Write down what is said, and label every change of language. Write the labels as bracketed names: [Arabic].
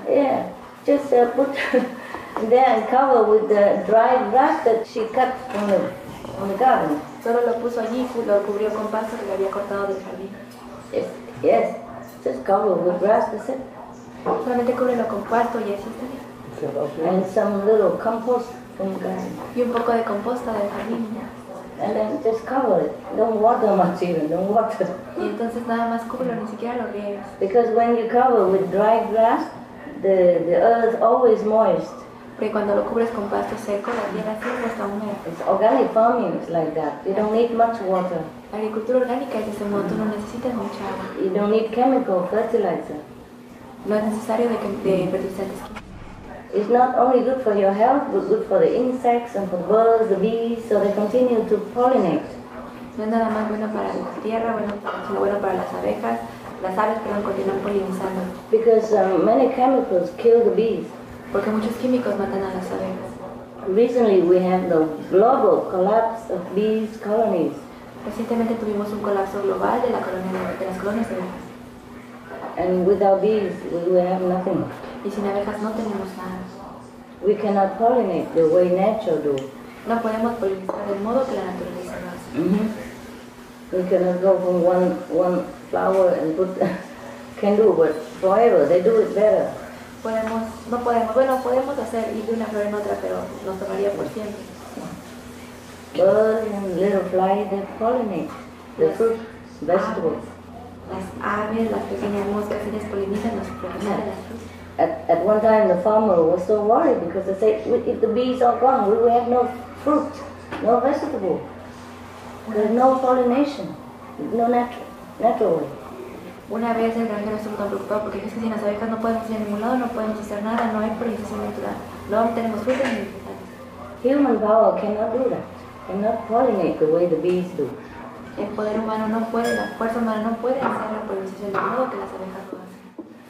[English] Yeah, just put there and cover with the dry grass that she cut from the garden. [Spanish] Solo lo puso allí y lo cubrió con pasto que le había cortado del jardín. [English] Yes, yes. Just cover with grass, that's it. [Spanish] Solamente cúbrelo con pasto y así está bien. [English] And some little compost from the garden. [Spanish] Y un poco de composta del jardín. [English] And then just cover it. Don't water much even, don't water. [Spanish] Y entonces nada más cúbrelo, ni siquiera lo riegas. [English] Because when you cover with dry grass, the earth always moist. [Spanish] Porque cuando lo cubres con pasto seco, la tierra siempre está húmeda. [English] It's organic farming is like that. You don't need much water. [Spanish] La agricultura orgánica es de ese modo, tú no necesitas mucha agua. [English] You don't need chemical fertilizer. [Spanish] No es necesario de fertilizantes. [English] It's not only good for your health, but good for the insects and for the birds, the bees, so they continue to pollinate. [Spanish] No es nada más bueno para la tierra, sino bueno para las abejas, las aves, perdón, continúan polinizando. [English] Because many chemicals kill the bees. [Spanish] Porque muchos químicos matan a las abejas. [English] Recently we had the global collapse of bees colonies. [Spanish] Recientemente tuvimos un colapso global de la colonia de las colonias de abejas. [English] And without bees, we will have nothing. [Spanish] Y sin abejas no tenemos nada. [English] We cannot pollinate the way nature do. [Spanish] No podemos polinizar del modo que la naturaleza lo hace. Mm-hmm. [English] We cannot go from one flower and put can do, but forever they do it better. [Spanish] Podemos, no podemos, bueno, podemos hacer ir de una flor en otra, pero nos tomaría por siempre. [English] Birds and little flies they pollinate the fruit, vegetables. [Spanish] Las aves, las pequeñas moscas, ellas polinizan los frutos. [English] At one time, the farmer was so worried because they said, if the bees are gone, we will have no fruit, no vegetable. There's no pollination, no natural way. [Spanish] Una vez el granjero estuvo tan preocupado porque es que sin las abejas no podemos ir a ningún lado, no podemos hacer nada, no hay polinización natural. No tenemos fruto ni vegetales. [English] Human power cannot do that, cannot pollinate the way the bees do. [Spanish] El poder humano no puede, la fuerza humana no puede hacer la polinización del modo que las abejas lo hacen.